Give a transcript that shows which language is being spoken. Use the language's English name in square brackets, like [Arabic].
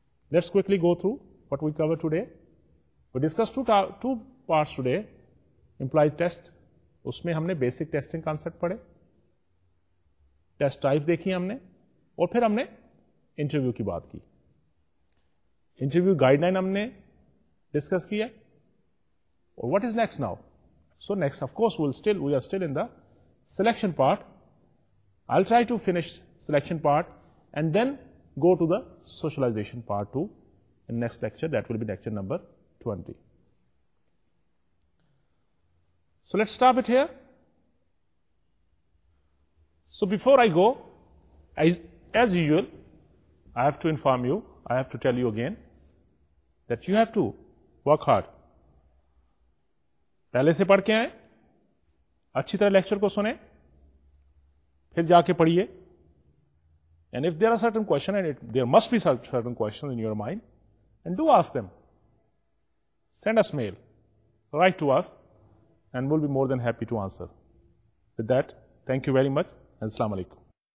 [English] Let's quickly go through what we cover today. We discuss two parts today. [Urdu] Employee test, اس میں ہم نے basic testing concept پڑھے, test type دیکھی ہم نے, اور پھر ہم نے انٹرویو کی بات کی. انٹرویو گائیڈ لائن ہم نے ڈسکس کیا, اور [English] What is next now? So next of course we are still in the selection part. I try to finish selection part and then go to the socialization part to in next lecture, that will be lecture number 20. So let's stop it here. So before I go, as usual, I have to inform you, I have to tell you again, that you have to work hard. [Urdu] پہلے سے پڑھ کے آئیں, اچھی طرح lecture کو سنیں, پھر جا کے پڑھیے. [English] And if there are certain questions, and there must be certain questions in your mind, and do ask them. Send us mail, write to us, and we'll be more than happy to answer. With that, thank you very much, and assalamu alaikum.